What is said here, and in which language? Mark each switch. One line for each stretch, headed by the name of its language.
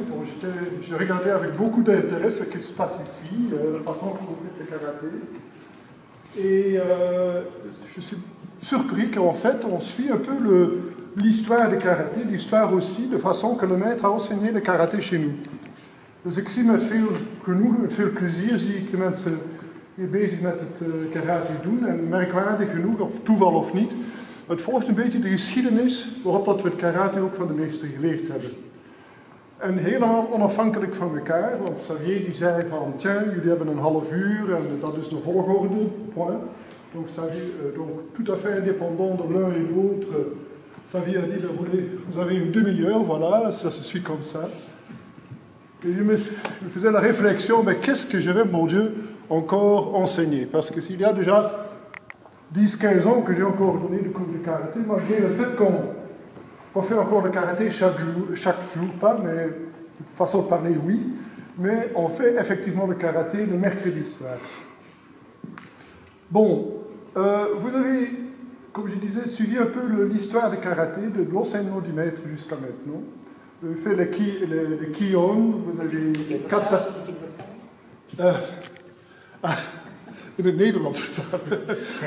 French: Bon, j'ai regardé avec beaucoup d'intérêt ce qui se passe ici, la façon dont vous faites le karaté. Et je suis surpris qu'en fait, on suit un peu l'histoire du karaté, l'histoire aussi de façon que le maître a enseigné le karaté chez nous.
Dutch: Dus ik zie met veel genoeg, met veel plezier zie ik mensen hier bezig met het karate doen. En merkwaardig genoeg, of toeval of niet, het volgt een beetje de geschiedenis waarop dat we het karate ook van de meester geleerd hebben. En helemaal onafhankelijk van elkaar, want Xavier die zei van, tja, jullie hebben een half uur en dat is de volgorde,
French: point. Donc Xavier, tout à fait indépendant de l'un et l'autre, Xavier a dit, vous avez une demi-heure, voilà, ça se suit comme ça. Et je faisais la réflexion, mais qu'est-ce que je vais, mon Dieu, encore enseigner? Parce que s'il y a déjà 10-15 ans que j'ai encore donné le cours de karaté, malgré le fait qu'on fait encore le karaté chaque jour, pas, mais de façon de parler, oui, mais on fait effectivement le karaté le mercredi soir. Bon, vous avez, comme je disais, suivi un peu l'histoire du karaté, de l'enseignement du maître jusqu'à maintenant. Vous avez fait les kion, vous avez les kata.
Dutch: In het Nederlands vertalen.